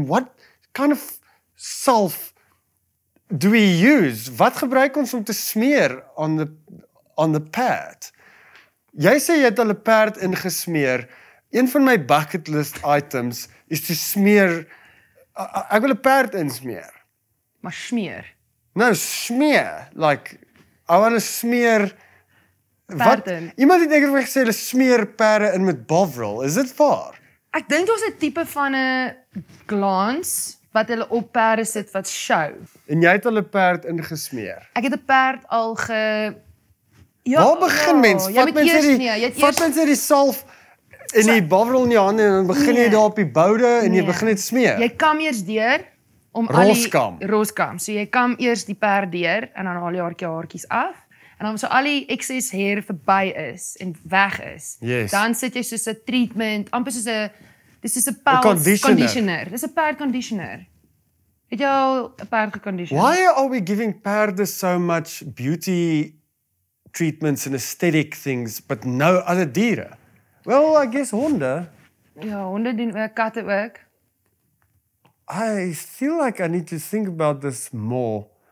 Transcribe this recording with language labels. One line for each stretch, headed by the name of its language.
English: And what kind of salf do we use?
Afrikaans: Wat gebruik ons om te smeer
English: on the
Afrikaans: perd? Jy sê jy het al 'n perd ingesmeer. Een van my
English: bucket list items
Afrikaans: is te smeer... Ek wil 'n perd insmeer. Maar smeer?
English: Nou, smeer. Like, I want to smeer...
Afrikaans: Perd in. Iemand het eker vir my gesê, hulle smeer perde in met Bovril. Is dit waar? Ek dink dit was 'n type van 'n glans wat hulle op perde sit wat show. En jy het hulle perd ingesmeer? Ek het 'n perd al ge... Ja, waar begin mens? Oh, vat mens eers... uit die salf... En jy bovril in jou hande en dan begin jy daar op die boude en jy begin dit smeer. Jy kam eers deur om roskam. Al die... Roskam. So jy kam eers die perd deur en dan al die haartjies af. En dan so al die excess hair verby is en weg is.
English: Yes.
Afrikaans: Dan sit jy soos 'n treatment, amper soos 'n... Dit is 'n perd conditioner. Dit is 'n perd conditioner. Het jy al 'n perd geconditioner?
English: Why are we giving perde so much beauty treatments and aesthetic things, but no other diere? Well, I guess honde.
Afrikaans: Ja, honde doen ook, katte ook.
English: I feel like I need to think about this more.